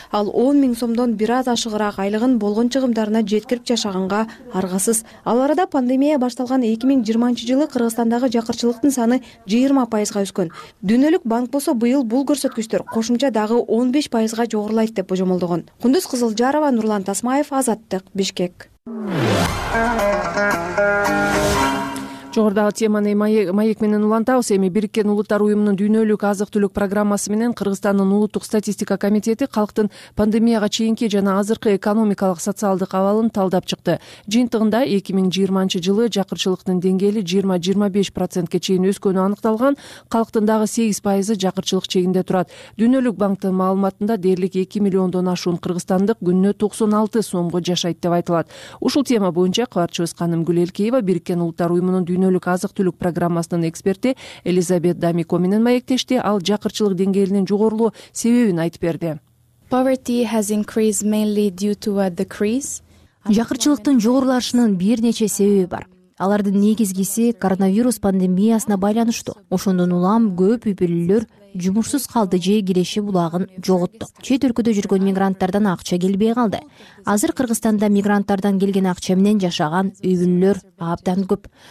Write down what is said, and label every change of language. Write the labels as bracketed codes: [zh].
[ky] Ал 10,000 сомдон бир аз ашыгыраак айлыгын болгон чыгымдарына жеткирип жашаганга аргасыз. Ал арада пандемия башталган 2020 жылы Кыргызстандагы жакырчылыктын саны 20% өскөн. Дүйнөлүк банк болсо, быйыл бул көрсөткүчтөр кошумча дагы 15% жогорулайт деп божомолдогон. Кундуз Кызылжарова, Нурлан Тасмаев, Азаттык, Бишкек. Жогордагы теманы маек менен улантабыз. Эми Бириккен Улуттар Уюмунун дүйнөлүк азык түлүк программасы менен Кыргызстандын улуттук статистика комитети калктын пандемияга чейинки жана азыркы экономикалык социалдык абалын талдап чыкты. Жыйынтыгында 2020 жылы жакырчылыктын деңгээли 20-25% чейин өскөнү аныкталган, калктын дагы 8% жакырчылык чегинде турат. Дүйнөлүк банктын маалыматында дээрлик 2 миллиондон ашуун кыргызстандык күнүнө 96 сомго жашайт деп айтылат. Ушул тема боюнча кабарчыбыз Каным Гүлелкеева Бириккен Улуттар Уюмунун дүйнөлүк азык-түлүк программасынын эксперти Элизабет Дамико менен маектешти. Ал жакырчылык деңгээлинин жогорулоо себебин айтып берди. [en] Poverty has increased mainly due to a decrease. [ky] Жакырчылыктын жогорулашынын бир нече себеби бар. Алардын негизгиси коронавирус пандемиясына байланыштуу. Ошондон улам көп үй-бүлөлөр жумушсуз калды же киреши булагын жоготту. Чет өлкөдө жүргөн мигранттардан акча келбей калды. Азыр Кыргызстанда мигранттардан келген акча менен жашаган үй-бүлөлөр абдан көп.